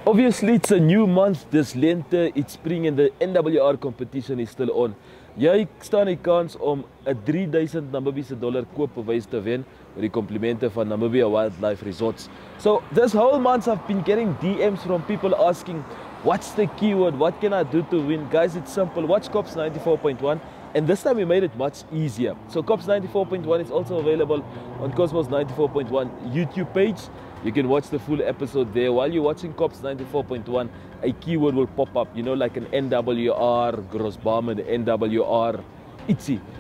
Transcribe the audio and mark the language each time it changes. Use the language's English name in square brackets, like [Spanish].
[English] Obviously, it's a new month, this lente, it's spring, and the NWR competition is still on. [Afrikaans] Jy staan die kans om 'n 3000 Namibiese dollar koopbewys te wen met die komplimente van Namibia Wildlife Resorts. [English] So, this whole month I've been getting DMs from people asking, what's the keyword, what can I do to win? Guys, it's simple, watch COPS 94.1, and this time we made it much easier. So, COPS 94.1 is also available on Kosmos 94.1 YouTube page. You can watch the full episode there. While you're watching COPS 94.1, a keyword will pop up, you know, like an NWR, Grossbaumer, NWR, itsy.